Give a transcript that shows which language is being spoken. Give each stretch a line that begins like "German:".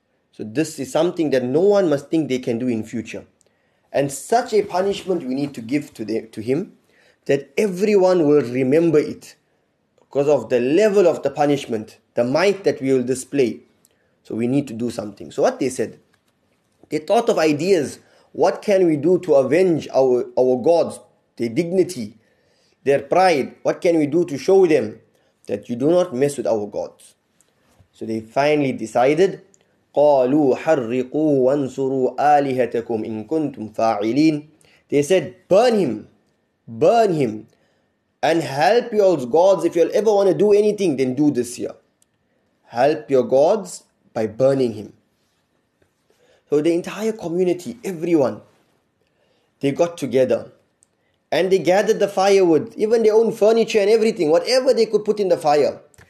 English: So this is something that no one must think they can do in future. And such a punishment we need to give to him that everyone will remember it because of the level of the punishment, the might that we will display. So we need to do something. So what they said, they thought of ideas. What can we do to avenge our gods, their dignity, their pride? What can we do to show them that you do not mess with our gods? So they finally decided,
Arabic: قالوا حرقوا وانصروا آلهتكم إن كنتم فاعلين.
English: They said, burn him, and help your gods. If you'll ever want to do anything, then do this here. Help your gods by burning him. So the entire community, everyone, they got together, and they gathered the firewood, even their own furniture and everything, whatever they could put in the fire.